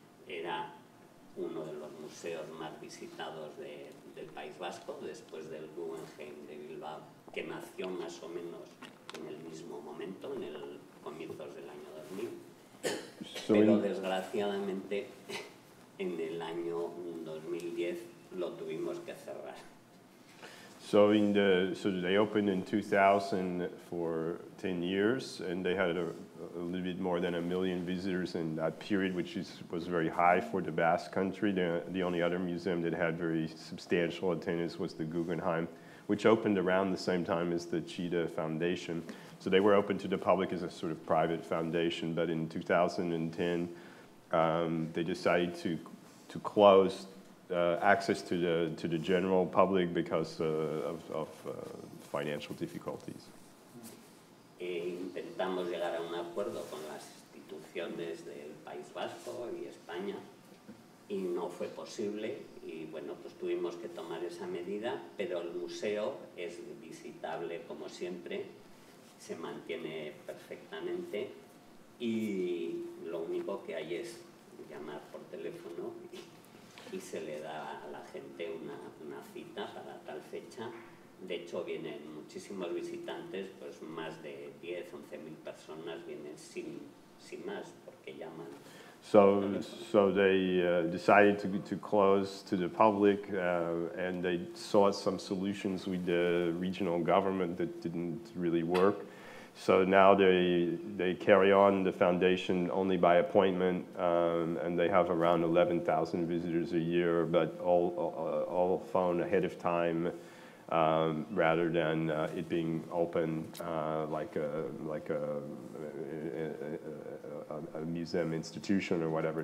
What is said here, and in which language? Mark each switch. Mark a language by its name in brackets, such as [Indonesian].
[Spanish] Era uno de los museos más visitados del País Vasco, después del Guggenheim de Bilbao, que nació más o menos en el mismo momento, en el comienzos del año 2000. So pero desgraciadamente, en el año 2010, lo tuvimos que cerrar. [English] So in the they opened in 2000 for 10 years, and they had a little bit more than 1,000,000 visitors in that period, which was very high for the Basque country. The only other museum that had very substantial attendance was the Guggenheim, which opened around the same time as the Chillida Foundation. So they were open to the public as a sort of private foundation, but in 2010, they decided to close access to the general public because of financial difficulties. [Spanish] Intentamos llegar a un acuerdo con las instituciones del País Vasco y España, y no fue posible, y bueno, pues tuvimos que tomar esa medida, pero el museo es visitable como siempre, se mantiene perfectamente, y lo único que hay es llamar por teléfono y se le da a la gente una cita para tal fecha. De hecho, vienen muchísimos visitantes, pues más de 10,000-11,000 personas vienen sin más, porque llaman. [English] So they decided to close to the public, and they sought some solutions with the regional government that didn't really work. So now they carry on the foundation only by appointment, and they have around 11,000 visitors a year, but all phone ahead of time, rather than it being open like a museum institution or whatever.